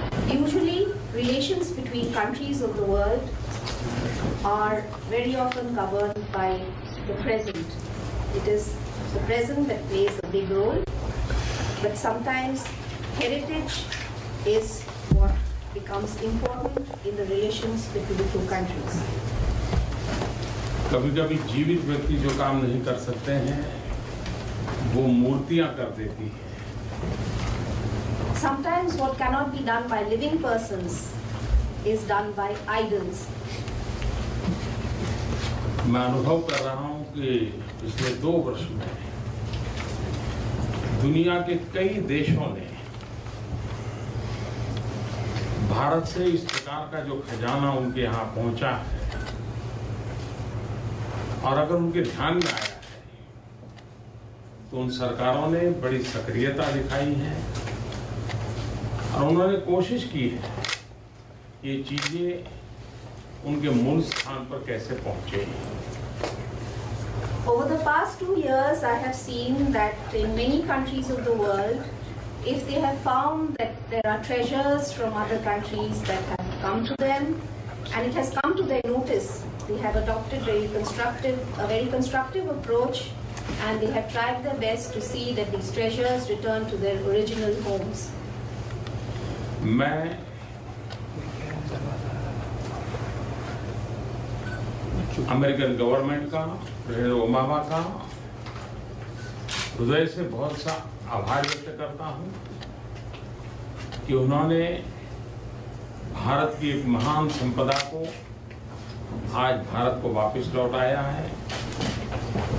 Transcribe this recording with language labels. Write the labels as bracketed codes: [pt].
[en] Usually, relations between countries of the world are very often governed by the present. It is the present that plays a big role, but sometimes heritage is what becomes important in the relations between the two countries. [hi] कभी कभी जीवित व्यक्ति जो काम नहीं कर सकते हैं वो मूर्तियां कर देती है। [en] Sometimes what cannot be done by living persons is done by idols. [hi] मैं अनुभव कर रहा हूं कि पिछले दो वर्ष में दुनिया के कई देशों ने भारत से इस प्रकार का जो खजाना उनके यहां पहुंचा है और अगर उनके ध्यान में आया तो उन सरकारों ने बड़ी सक्रियता दिखाई है और उन्होंने कोशिश की है ये चीजें उनके मूल स्थान पर कैसे पहुंचे। [en] Over the past 2 years, I have seen that in many countries of the world, if they have found that there are treasures from other countries that have come to them, and it has come to their notice, they have adopted a very constructive approach, and they have tried their best to see that these treasures return to their original homes. [hi] American government का president Obama का हृदय से बहुत सा आभार व्यक्त करता हूं कि उन्होंने भारत की एक महान संपदा को आज भारत को वापस लौटाया है।